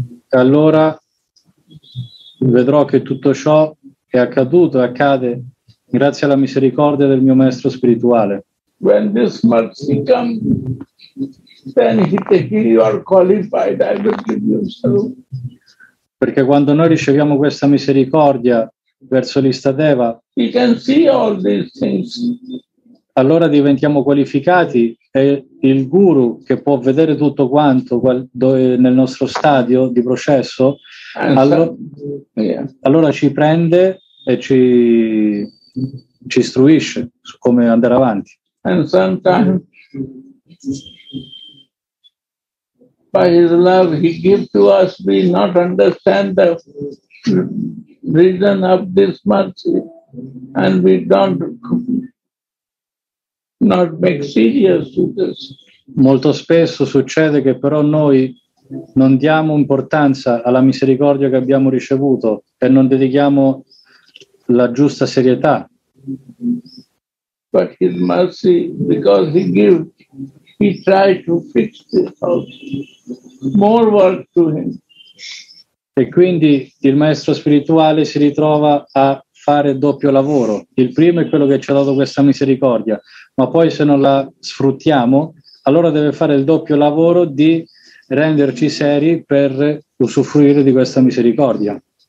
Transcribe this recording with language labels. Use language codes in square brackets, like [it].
[it] Allora vedrò che tutto ciò è accaduto e accade grazie alla misericordia del mio maestro spirituale. [en] When this mercy comes, then you are qualified, I will give you some. [it] Perché quando noi riceviamo questa misericordia verso l'Istadeva, [en] we can see all these things. [it] Allora diventiamo qualificati e il guru che può vedere tutto quanto nel nostro stadio di processo, allora ci prende e ci istruisce su come andare avanti. [en] And sometimes by his love he gives to us, we not understand the reason of this mercy and we don't not make serious to this. [it] Molto spesso succede che però noi non diamo importanza alla misericordia che abbiamo ricevuto e non dedichiamo la giusta serietà. [en] But his mercy, because he gives, he tried to fix this house. More work to him. [it] E quindi il maestro spirituale si ritrova a fare doppio lavoro. Il primo è quello che ci ha dato questa misericordia, ma poi se non la sfruttiamo, allora deve fare il doppio lavoro di renderci seri per usufruire di questa misericordia.